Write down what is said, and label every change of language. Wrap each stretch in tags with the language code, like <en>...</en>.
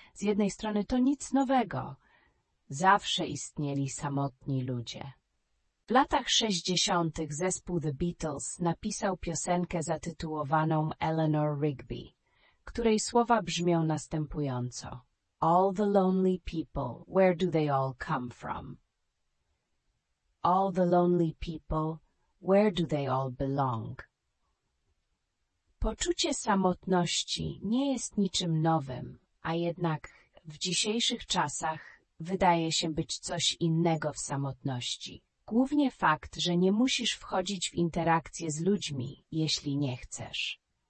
<pl>Z jednej strony to nic nowego. Zawsze istnieli samotni ludzie. W latach 60. zespół The Beatles napisał piosenkę zatytułowaną Eleanor Rigby, której słowa brzmią następująco.</pl> <en>All the lonely people, where do they all come from? All the lonely people, where do they all belong?</en> <pl>Poczucie samotności nie jest niczym nowym, a jednak w dzisiejszych czasach wydaje się być coś innego w samotności. Głównie fakt, że nie musisz wchodzić w interakcje z ludźmi, jeśli nie chcesz.</pl>